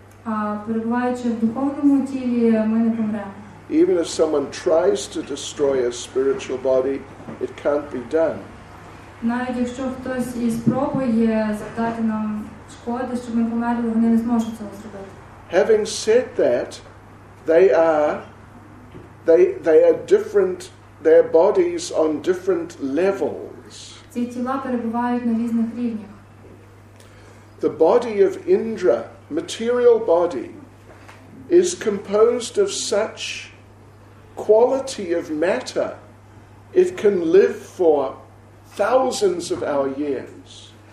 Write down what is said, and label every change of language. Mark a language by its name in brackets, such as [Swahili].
[Ukrainian] А перебуваючи в духовному тілі, ми не помремо. [English] Even if someone tries to destroy a spiritual body, it can't be done. [Ukrainian] Навіть якщо хтось і спробує завдати нам шкоди, щоб ми померли, вони не зможуть цього зробити. [English] Having said that, they are different, their bodies on different levels. [Ukrainian] Ці тіла перебувають на різних рівнях. [English] The body of Indra, material body, is composed of such quality of matter, it can live for thousands of our years.